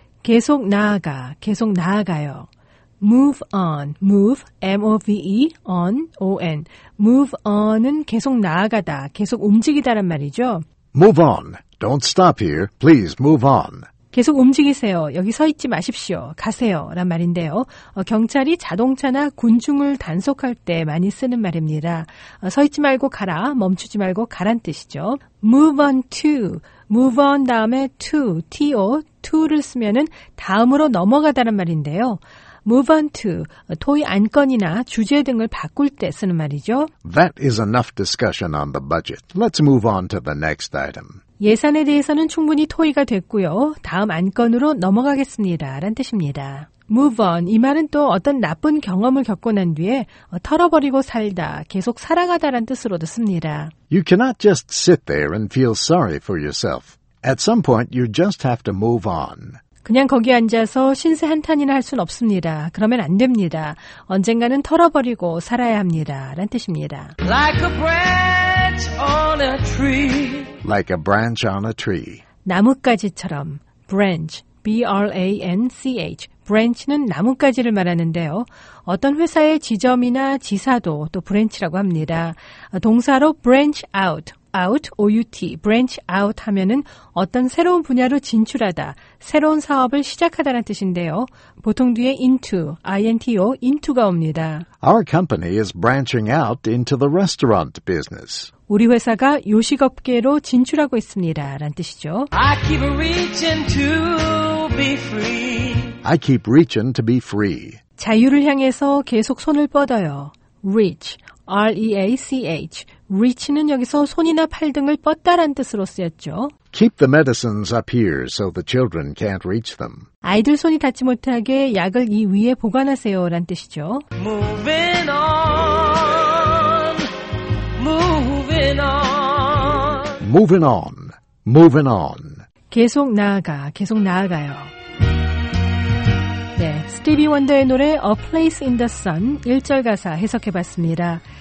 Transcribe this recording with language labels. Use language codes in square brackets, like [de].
[ko] 계속 나아가, 계속 나아가요. [en] Move on, move, M-O-V-E, on, O-N. [ko] Move on은 계속 나아가다, 계속 움직이다란 말이죠. [en] Move on, don't stop here, please move on. [ko] 계속 움직이세요, 여기 서 있지 마십시오, 가세요, 란 말인데요. 경찰이 자동차나 군중을 단속할 때 많이 쓰는 말입니다. 서 있지 말고 가라, 멈추지 말고 가란 뜻이죠. Move on to, move on 다음에 to, T-O, to를 쓰면은 다음으로 넘어가다란 말인데요. Move on to, 토의 안건이나 주제 등을 바꿀 때 쓰는 말이죠. [en] That is enough discussion on the budget. Let's move on to the next item. [ko] 예산에 대해서는 충분히 토의가 됐고요. 다음 안건으로 넘어가겠습니다. 라는 뜻입니다. Move on, 이 말은 또 어떤 나쁜 경험을 겪고 난 뒤에 털어버리고 살다, 계속 살아가다란 뜻으로도 씁니다. [en] You cannot just sit there and feel sorry for yourself. At some point, you just have to move on. [ko] 그냥 거기 앉아서 신세 한탄이나 할 순 없습니다. 그러면 안 됩니다. 언젠가는 털어버리고 살아야 합니다. 라는 뜻입니다. [en] Like a branch on a tree. Like a branch on a tree. [ko] 나뭇가지처럼. Branch. B-R-A-N-C-H. Branch는 나뭇가지를 말하는데요. 어떤 회사의 지점이나 지사도 또 branch라고 합니다. 동사로 branch out. out, O-U-T, branch out 하면은 어떤 새로운 분야로 진출하다, 새로운 사업을 시작하다는 뜻인데요. 보통 뒤에 into, I-N-T-O, into가 옵니다. [en] Our company is branching out into the restaurant business. [ko] 우리 회사가 요식업계로 진출하고 있습니다. 라는 뜻이죠. [en] I keep reaching to be free. I keep reaching to be free. [ko] 자유를 향해서 계속 손을 뻗어요. [en] Reach, R-E-A-C-H. [ko] Reach는 여기서 손이나 팔 등을 뻗다란 뜻으로 쓰였죠. [en] Keep the medicines up here so the children can't reach them. [ko] 아이들 손이 닿지 못하게 약을 이 위에 보관하세요란 뜻이죠. [en] Moving on, moving on. Moving on, moving on. [ko] 계속 나아가, 계속 나아가요. 네, 스티비 원더의 노래 A Place in the Sun 1절 가사 해석해봤습니다.